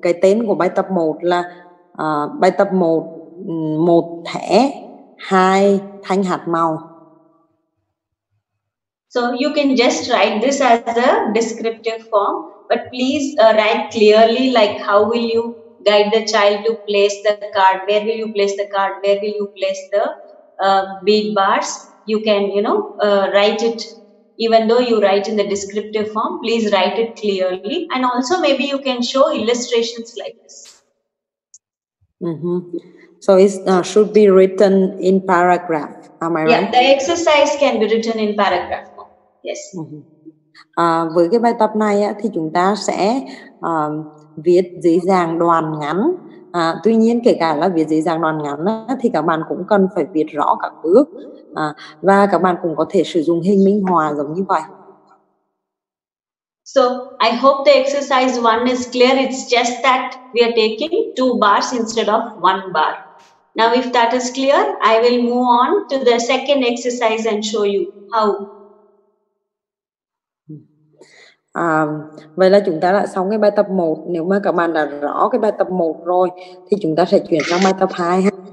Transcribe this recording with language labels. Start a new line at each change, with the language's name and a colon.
Vietnamese: Cái tên của bài tập 1 là bài tập 1 một thẻ hai thanh hạt màu.
English: So you can just write this as a descriptive form, but please write clearly like how will you guide the child to place the card, where will you place the card, where will you place the bead bars. You can write it, even though you write in the descriptive form, please write it clearly, and also maybe you can show illustrations like this. So it should be written in paragraph. Am I right? Yeah, the exercise can be written in paragraph. Yes.
Vietnamese: Với cái bài tập này thì chúng ta sẽ viết dưới dạng đoạn ngắn. Tuy nhiên kể cả là viết dưới dạng đoạn ngắn thì các bạn cũng cần phải viết rõ các bước. Và các bạn cũng có thể sử dụng hình minh họa giống như vậy.
English: So I hope the exercise one is clear. It's just that we are taking two bars instead of one bar. Now, if that is clear, I will move on to the second exercise and show you how.
Vietnamese: Vậy là chúng ta đã xong cái bài tập 1. Nếu mà các bạn đã rõ cái bài tập 1 rồi, thì chúng ta sẽ chuyển sang bài tập 2.